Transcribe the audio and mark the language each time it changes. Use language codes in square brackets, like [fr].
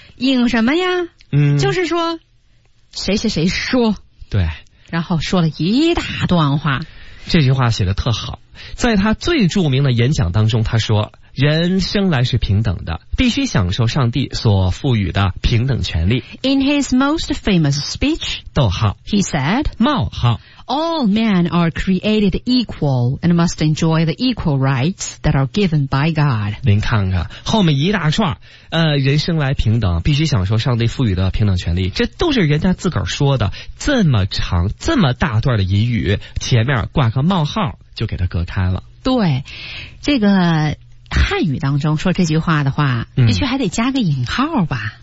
[zh] 引什么呀？就是说谁谁谁说，对，然后说了一大段话。这句话写得特好，在他最著名的演讲当中，他说人生来是平等的，必须享受上帝所赋予的平等权利。 [en] In his most famous speech, [zh] 逗号 [en] he said, [zh] 冒号 [en] all men are created equal and must enjoy the equal rights that are given by God. [zh] 您看看后面一大串，人生来平等，必须享受上帝赋予的平等权利，这都是人家自个儿说的，这么长这么大段的引语，前面挂个冒号就给他隔开了。对，这个汉语当中说这句话的话，必须还得加个引号吧？